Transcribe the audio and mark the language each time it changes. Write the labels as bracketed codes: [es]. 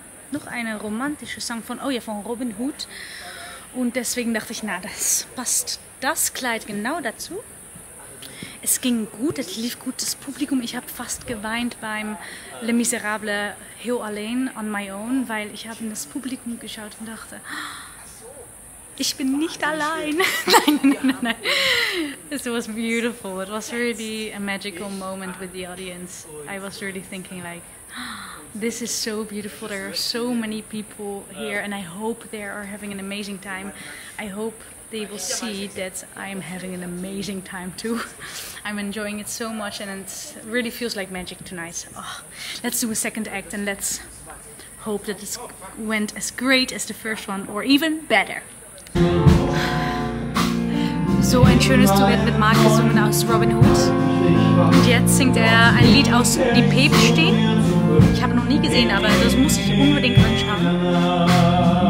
[de] Noch eine romantische Song von Robin Hood. Und deswegen dachte ich, na, das passt das Kleid genau dazu. Es ging gut, es lief gut, das Publikum. Ich habe fast geweint beim Les Miserables Here Alone on My Own, weil ich habe in das Publikum geschaut und dachte, ich bin nicht allein. [en] Nein. It was beautiful. It was really a magical moment with the audience. I was really thinking like, this is so beautiful. There are so many people here and I hope they are having an amazing time. I hope they will see that I am having an amazing time too. I'm enjoying it so much and it really feels like magic tonight. Oh, let's do a second act and let's hope that it went as great as the first one or even better. [de] So ein schönes Duett mit Marc gesungen aus Robin Hood. Und jetzt singt ein Lied aus Die Päpstin. Ich habe noch nie gesehen, aber das muss ich unbedingt anschauen.